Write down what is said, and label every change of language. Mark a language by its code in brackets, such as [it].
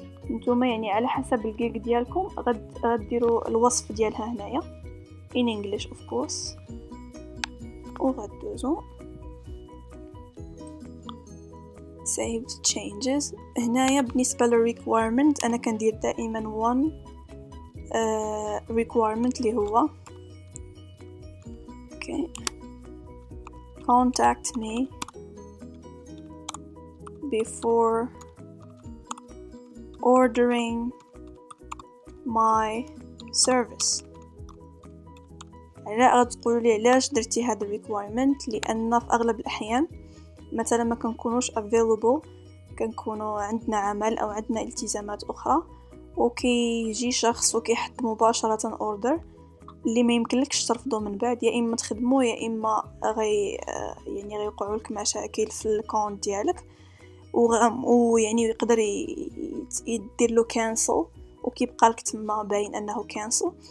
[ar] نتوما يعني على حسب الجيك ديالكم غديروا الوصف ديالها هنايا ان انجلش اوف كورس, وغدوزو [en] Saved changes. [ar] هنايا بالنسبة للrequirement أنا كندير دائما [en] one requirement [ar] اللي هو okay. [en] Contact me before ordering my service. [ar] لا غتقولوا لي علاش درتي هذا الريكويرمنت، لان في اغلب الاحيان مثلا ما كنكونوش افيلبل، كنكونوا عندنا عمل او عندنا التزامات اخرى، وكيجي شخص وكيحط مباشره اوردر اللي ما يمكنلكش ترفضه من بعد، يا اما تخدمه يا اما يعني غيوقعوا لك مشاكل في الكونت ديالك، ويعني يقدر يدير له كانسل وكيبقى لك تما باين انه كانسل.